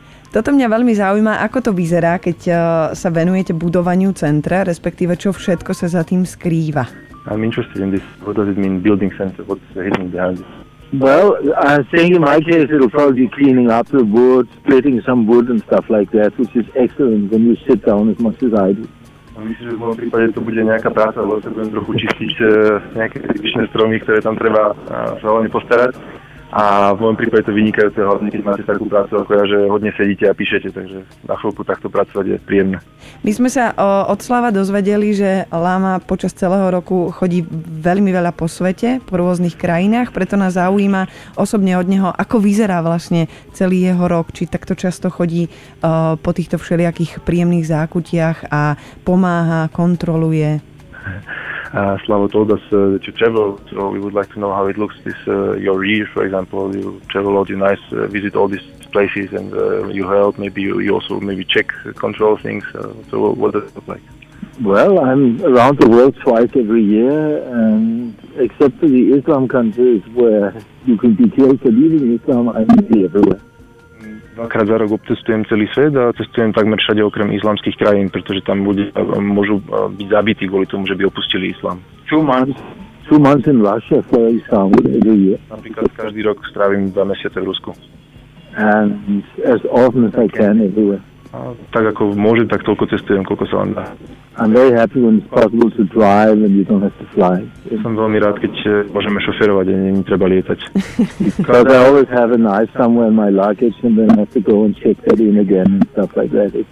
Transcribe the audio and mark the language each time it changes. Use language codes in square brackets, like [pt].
[sk] Toto mňa veľmi zaujíma, ako to vyzerá, keď sa venujete budovaniu centra, respektíve čo všetko sa za tým skrýva. [en] I'm interested in this. What does it mean, building center? What's hidden behind this? Well, I think in my case it'll probably be cleaning up the wood, splitting some wood and stuff like that, which is excellent when you sit down as much as I do. [sk] Myslím, že v môjom prípade to bude nejaká práca, lebo sa budem trochu čistiť nejaké typické stromy, ktoré tam treba sa hlavne postarať. A v môjom prípade to vynikajúce hlavne, keď máte takú prácu, ako ja, že hodne sedíte a píšete, takže na chvíľku takto pracovať je príjemné. My sme sa od Slava dozvedeli, že Lama počas celého roku chodí veľmi veľa po svete, po rôznych krajinách, preto nás zaujíma osobne od neho, ako vyzerá vlastne celý jeho rok, či takto často chodí po týchto všelijakých príjemných zákutiach a pomáha, kontroluje. [en] Slavo told us that you travel, so we would like to know how it looks this your year, for example. You travel all the nice, visit all these places and you help, maybe you also maybe check, control things. So what does it look like? Well, I'm around the world twice every year, and except for the Islam countries where you can be killed for leaving Islam, I'm everywhere. [sk] Dvakrát za rok obcestujem celý svet a cestujem takmer všade okrem islamských krajín, pretože tam ľudia môžu byť zabití kvôli tomu, že by opustili islám. [en] Two months in Russia for Islam every year. [sk] Napríklad každý rok strávim 2 mesiace v Rusku. [en] And as often as I can everywhere. [sk] Tak ako môžem, tak toľko cestujem, koľko sa vám dá. [en] I'm very happy when it's possible to drive and you don't have to fly. [sk] Som veľmi rád, keď môžeme šoférovať a nie treba lietať. [en] Because I always have a knife somewhere in my luggage and then I have to go and check that in again and stuff like that.